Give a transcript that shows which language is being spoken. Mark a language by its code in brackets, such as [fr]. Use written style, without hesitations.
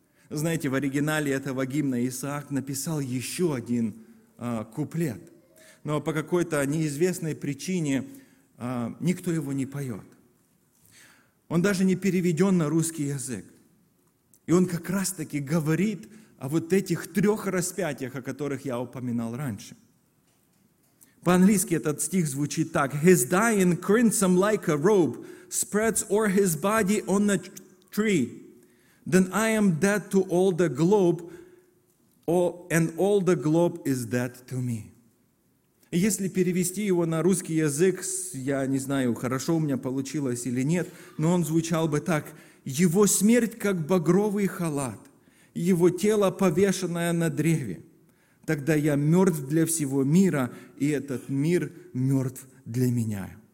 [ru] Знаете, в оригинале этого гимна Исаак написал еще один куплет. Но по какой-то неизвестной причине никто его не поет. Он даже не переведен на русский язык. И он как раз-таки говорит о вот этих трех распятиях, о которых я упоминал раньше. По-английски этот стих звучит так: [en] «His dying crimson like a robe spreads o'er his body on a tree. Then I am dead to all the globe, and all the globe is dead to me». [ru] Если перевести его на русский язык, я не знаю, хорошо у меня получилось или нет, но он звучал бы так: «Его смерть, как багровый халат, его тело, повешенное на древе. Тогда я мертв для всего мира, и этот мир мертв для меня».